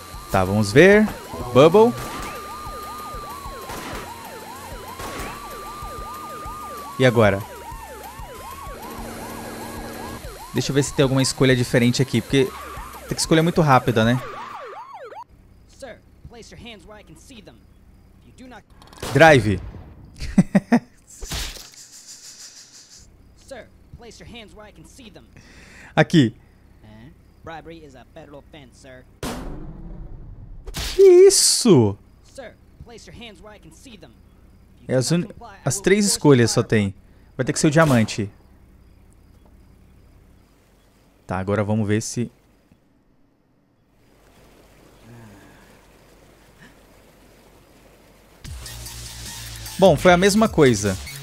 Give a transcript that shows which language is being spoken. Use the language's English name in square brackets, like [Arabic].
[Portuguese] Tá, vamos ver. Bubble. E agora? Deixa eu ver se tem alguma escolha diferente aqui, porque tem que escolher muito rápida, né? [English] Sir, place your hands where I can see them. You do not... Drive. Sir, place your hands where I can see them. [Portuguese] Aqui. [English] Bribery is a federal offense, sir. [Portuguese] Que isso? [English] Sir, place your hands where I can see them. [Portuguese] É as três escolhas só tem. Vai ter que ser o diamante. Tá, agora vamos ver se... Bom, foi a mesma coisa.